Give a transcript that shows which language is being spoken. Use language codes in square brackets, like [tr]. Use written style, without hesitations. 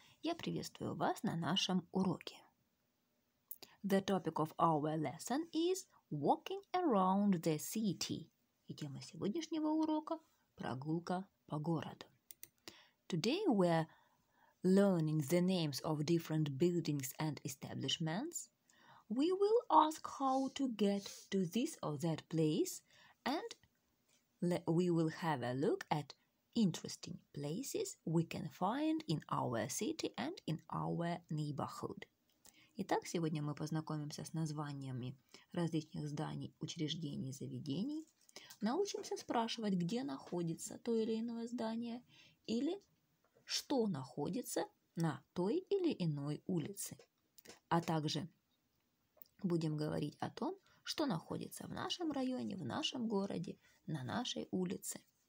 [ru] Я приветствую вас на нашем уроке. [en] The topic of our lesson is walking around the city. [ru] И тема сегодняшнего урока – прогулка по городу. [en] Today we are learning the names of different buildings and establishments. We will ask how to get to this or that place and we will have a look at interesting places we can find in our city and in our neighborhood. [ru] Итак, сегодня мы познакомимся с названиями различных зданий, учреждений, заведений. Научимся спрашивать, где находится то или иное здание или что находится на той или иной улице. А также будем говорить о том, что находится в нашем районе, в нашем городе, на нашей улице.